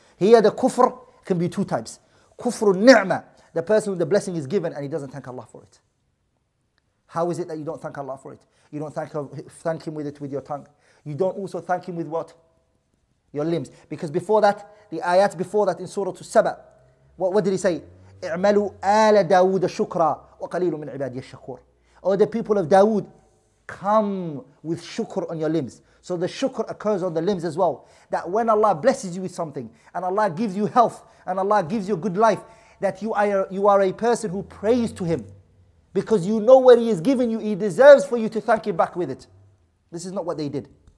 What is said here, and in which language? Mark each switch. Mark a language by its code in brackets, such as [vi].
[en] Here the kufr can be two types. Kufr al-ni'ma, the person who the blessing is given and he doesn't thank Allah for it. How is it that you don't thank Allah for it? You don't thank Him with it with your tongue. You don't also thank Him with what? Your limbs. Because before that, the ayat before that in Surah Saba, what did He say? [ar] اعملوا آل داود شكرا وقليل من عبادي الشكور. [en] Oh, the people of Dawood, come with shukr on your limbs. So the shukr occurs on the limbs as well. That when Allah blesses you with something, and Allah gives you health, and Allah gives you a good life, that you are a person who prays to Him. Because you know what He has given you, He deserves for you to thank Him back with it. This is not what they did.